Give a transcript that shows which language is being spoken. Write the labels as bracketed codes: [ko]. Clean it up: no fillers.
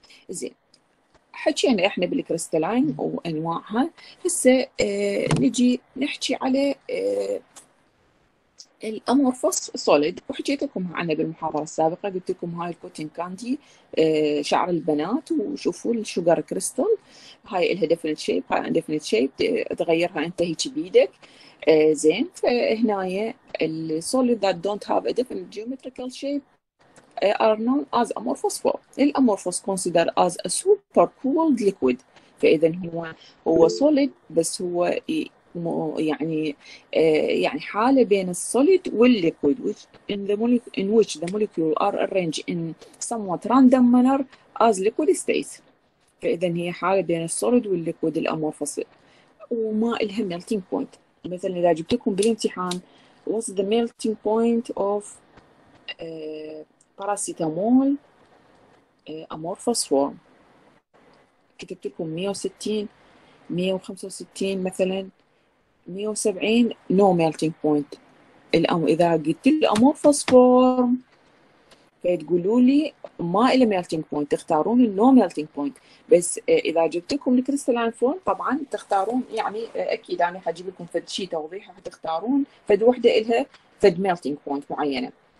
[ar] زين، حكينا احنا بالكريستالين وأنواعها، هسه نجي نحكي على الأمورفوس سوليد، وحكيت لكم عنها بالمحاضرة السابقة، قلت لكم هاي الكوتين كاندي شعر البنات، وشوفوا الشوجر كريستال هاي لها ديفينيت شيب، هاي ديفينيت شيب تغيرها انت هيك بيدك. [en] زين، فهناي السوليد that don't have a definite geometrical shape are known as amorphous form. الامورفوس consider as a super cooled liquid. [ar] فاذا هو سوليد بس هو يعني حاله بين السوليد والليكويد، [en] in which the molecule are arranged in somewhat random manner as liquid states. [ar] فاذا هي حاله بين السوليد والليكويد الامورفوس، وما لها melting point. مثلا اذا جبت لكم بالامتحان [en] what's the melting point of paracetamol amorphous form، [ar] كتبت لكم 160 165 مثلا 170 [en] no melting point. [ar] إذا قلت الأمورفوس فورم فتقولوا لي ما إلى melting point، تختارون ال [en] no melting point. [ar] بس إذا جبت لكم الكريستالين فورم طبعا تختارون، يعني أكيد أنا حجيب لكم فد شيء توضيحي، حتختارون فد وحدة إلها فد melting point معينة.